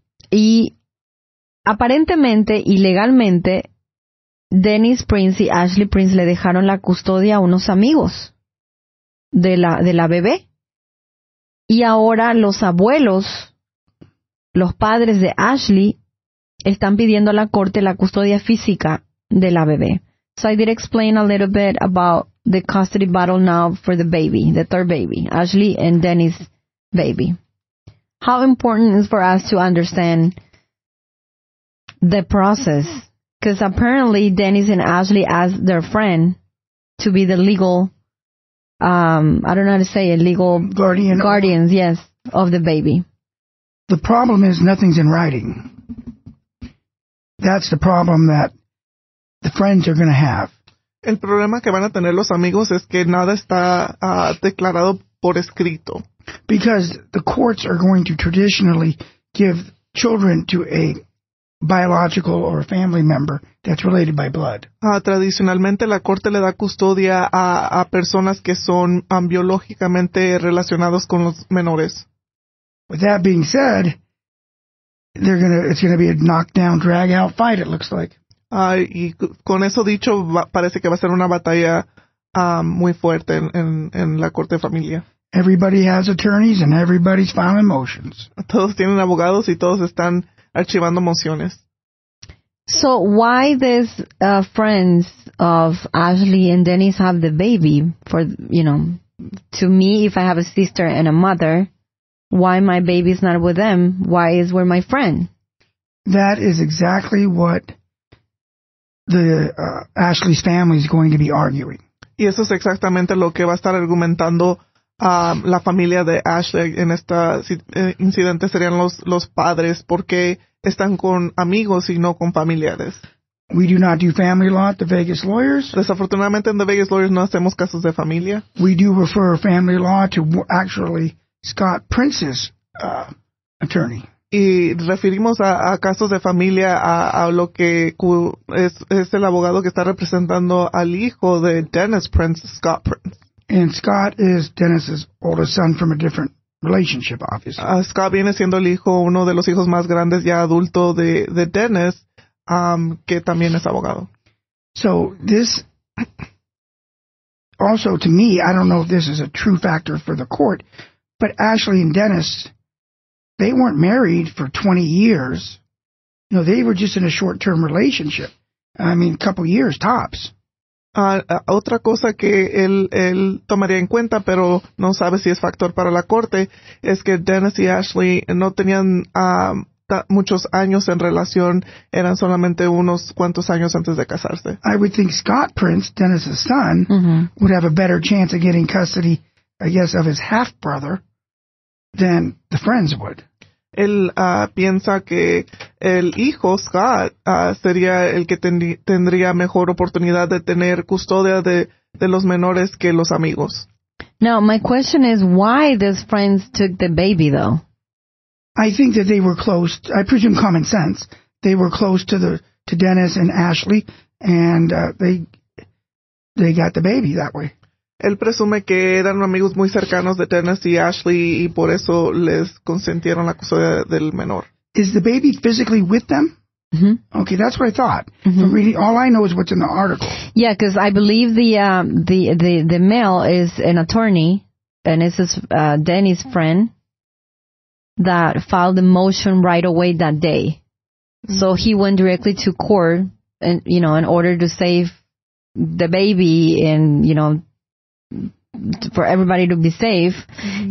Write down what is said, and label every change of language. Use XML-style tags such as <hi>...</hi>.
<es>Y aparentemente, ilegalmente, Dennis Prince y Ashley Prince le dejaron la custodia a unos amigos de la bebé. Y ahora los abuelos, los padres de Ashley, están pidiendo a la corte la custodia física de la bebé.</es> <en>So I did explain a little bit about the custody battle now for the baby, the third baby, Ashley and Dennis' baby. How important is for us to understand the process? Because apparently Dennis and Ashley asked their friend to be the legal, I don't know how to say it, legal guardians, yes, of the baby. The problem is nothing's in writing. That's the problem that the friends are going to have.</en> <es>El problema que van a tener los amigos es que nada está declarado por escrito.</es> <en>Because the courts are going to traditionally give children to a biological or family member that's related by blood.</en> <es>Tradicionalmente la corte le da custodia a personas que son biológicamente relacionados con los menores.</es> <en>With that being said, it's going to be a knockdown, drag out fight, it looks like.</en> <es>Y con eso dicho, parece que va a ser una batalla muy fuerte en la corte de familia.</es> <en>Everybody has attorneys and everybody's filing motions.</en> <es>Todos tienen abogados y todos están archivando mociones.</es> <en>So why these friends of Ashley and Dennis have the baby? For, you know, to me, if I have a sister and a mother, why my baby is not with them? Why is where my friend? That is exactly what the Ashley's family is going to be arguing.</en> <es>Y eso es exactamente lo que va a estar argumentando la familia de Ashley en esta incidente. Serían los padres porque están con amigos y no con familiares.</es> <en>We do not do family law at the Vegas lawyers.</en> <es>Desafortunadamente en the Vegas lawyers no hacemos casos de familia.</es> <en>We do refer family law to actually Scott Prince's attorney.</en> <es>Y referimos a casos de familia a lo que es el abogado que está representando al hijo de Dennis Prince, Scott Prince.</es> <en>And Scott is Dennis's oldest son from a different relationship, obviously.</en> <es>Scott viene siendo el hijo, uno de los hijos más grandes ya adulto de Dennis, que también es abogado.</es> <en>So this, also to me, I don't know if this is a true factor for the court, but Ashley and Dennis, they weren't married for 20 years. You know, they were just in a short-term relationship. I mean, a couple years, tops.</en> <es>Otra cosa que él tomaría en cuenta, pero no sabe si es factor para la corte, es que Dennis y Ashley no tenían muchos años en relación. Eran solamente unos cuantos años antes de casarse.</es> <en>I would think Scott Prince, Dennis's son, would have a better chance of getting custody, I guess, of his half-brother than the friends would.</en> <es>Él piensa que el hijo, Scott, sería el que tendría mejor oportunidad de tener custodia de los menores que los amigos.</es> <en>Now, my question is, why those friends took the baby, though? I think that they were close. I presume common sense. They were close to Dennis and Ashley, and they got the baby that way.</en> <es>Él presume que eran amigos muy cercanos de Dennis y Ashley, y por eso les consentieron la custodia del menor.</es> <en>Is the baby physically with them? Mm-hmm. Okay, that's what I thought. Mm-hmm. But really, all I know is what's in the article. Yeah, because I believe the male is an attorney, and this is Danny's friend that filed the motion right away that day. Mm-hmm. So he went directly to court, and you know, in order to save the baby, and you know, for everybody to be safe, mm-hmm.</en>